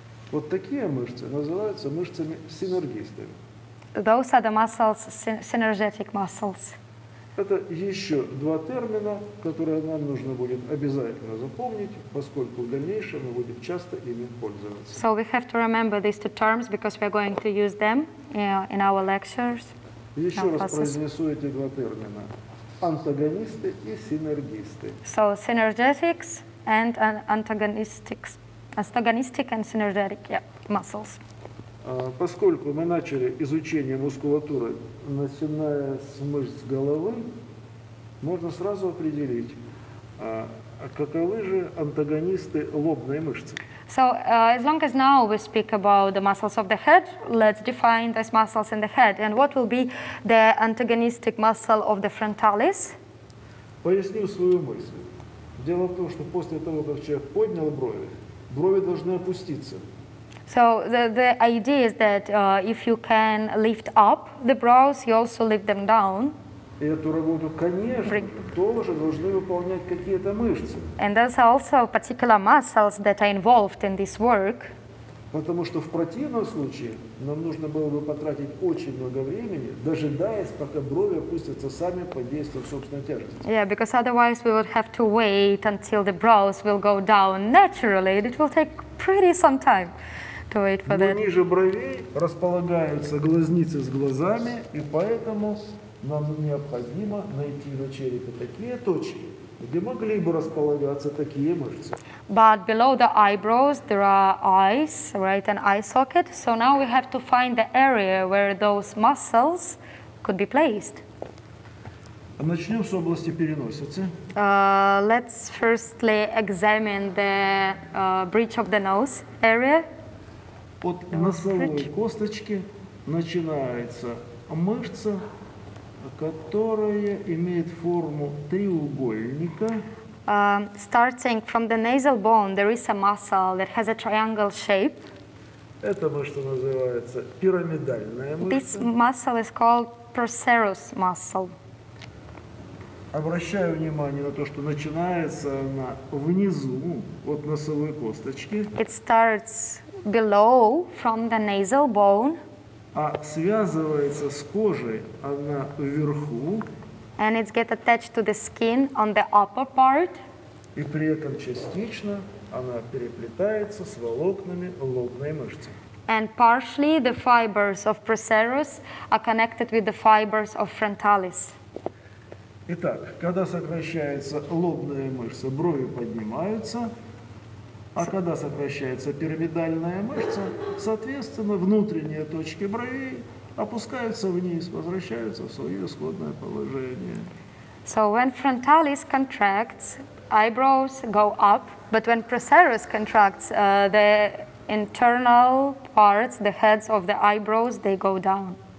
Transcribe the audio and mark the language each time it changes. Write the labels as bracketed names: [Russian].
[Russian] Вот такие мышцы называются мышцами-синергистами. [English] Those are the muscles, synergetic muscles. [Russian] Это еще два термина, которые нам нужно будет обязательно запомнить, поскольку в дальнейшем мы будем часто ими пользоваться. [English] So we have to remember these two terms because we are going to use them in our lectures. [Russian] Еще раз произнесу эти два термина: антагонисты и синергисты. [English] So synergetics and antagonistic and synergetic muscles. [Russian] Поскольку мы начали изучение мускулатуры, начиная с мышц головы, можно сразу определить, каковы же антагонисты лобной мышцы. [English] So, as long as now we speak about the muscles of the head, let's define those muscles in the head. And what will be the antagonistic muscle of the frontalis? [Russian] Поясню свою мысль. Дело в том, что после того, как человек поднял брови, брови должны опуститься. [English] So the idea is that if you can lift up the brows, you also lift them down. [Russian] И эту работу, конечно, тоже должны выполнять какие-то мышцы. [English] And there's also particular muscles that are involved in this work. [Russian] Потому что в противном случае нам нужно было бы потратить очень много времени, дожидаясь, пока брови опустятся сами под действием собственной тяжести. [English] Yeah, because otherwise we would have to wait until the brows will go down naturally. It will take pretty some time to wait for that. [Russian] Но ниже бровей располагаются глазницы с глазами, и поэтому нам необходимо найти на черепе такие точки, где могли бы располагаться такие мышцы. [English] But below the eyebrows there are eyes, right, an eye socket. So now we have to find the area where those muscles could be placed. [Russian] Начнем с области переносицы. [English] Let's firstly examine the bridge of the nose area. [Russian] От носовой косточки начинается мышца, которая имеет форму треугольника. [English] Starting from the nasal bone, there is a muscle that has a triangle shape. [Russian] Это мышца называется пирамидальная мышца. [English] This muscle is called procerus muscle. [Russian] Обращаю внимание на то, что начинается она внизу от носовой косточки. [English] It starts below from the nasal bone. [Russian] А связывается с кожей она вверху. [English] And it gets attached to the skin on the upper part. [Russian] И при этом частично она переплетается с волокнами лобной мышцы. [English] And partially the fibers of procerus are connected with the fibers of frontalis. [Russian] Итак, когда сокращается лобная мышца, брови поднимаются. А когда сокращается пирамидальная мышца, соответственно, внутренние точки бровей опускаются вниз, возвращаются в свое исходное положение. [English] So when frontalis contracts, eyebrows go up, but when procerus contracts, the internal parts, the heads of the eyebrows, they go down.